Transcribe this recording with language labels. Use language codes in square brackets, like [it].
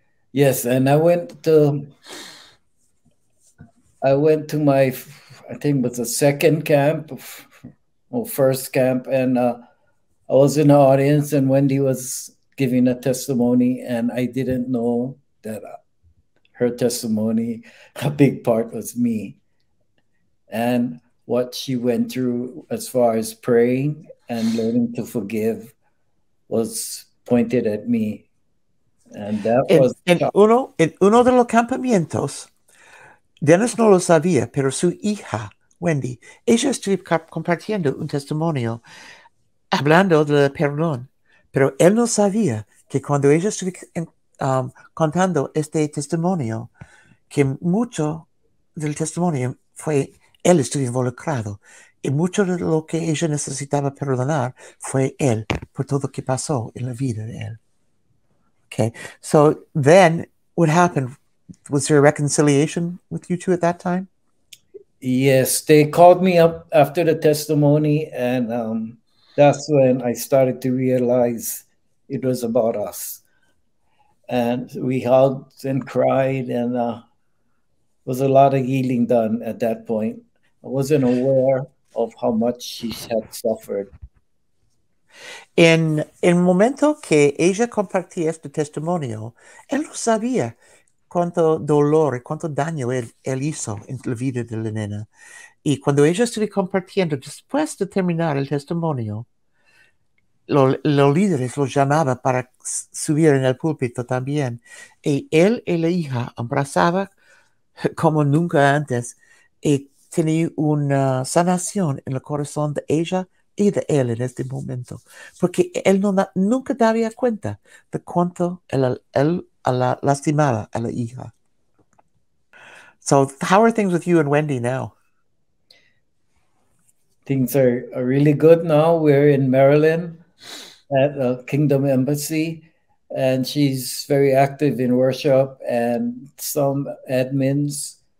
[en] yes, and I went to my, I think it was the second camp, or first camp, and I was in the audience, and Wendi was giving a testimony, and I didn't know that her testimony, a big part was me, and what she went through as far as praying and learning to forgive was pointed at me. [es] En uno de los campamentos, Dennis no lo sabía, pero su hija, Wendi, ella estuvo compartiendo un testimonio hablando del perdón, pero él no sabía que cuando ella estuvo contando este testimonio, que mucho del testimonio fue él estuvo involucrado, y mucho de lo que ella necesitaba perdonar fue él por todo lo que pasó en la vida de él. [en] Okay, so then what happened? Was there a reconciliation with you two at that time? Yes, they called me up after the testimony, and that's when I started to realize it was about us. And we hugged and cried, and was a lot of healing done at that point. I wasn't aware of how much she had suffered. [es] En el momento que ella compartía este testimonio, él no sabía cuánto dolor y cuánto daño él hizo en la vida de la nena. Y cuando ella estuvo compartiendo, después de terminar el testimonio, los líderes los llamaban para subir en el púlpito también. Y él y la hija abrazaban como nunca antes y tenía una sanación en el corazón de ella y de él en este momento, porque él nunca daría cuenta de cuánto él la lastimaba a la hija. [en] So how are things with you and Wendi now? Things are really good now. We're in Maryland at the Kingdom Embassy, and she's very active in worship and some admins.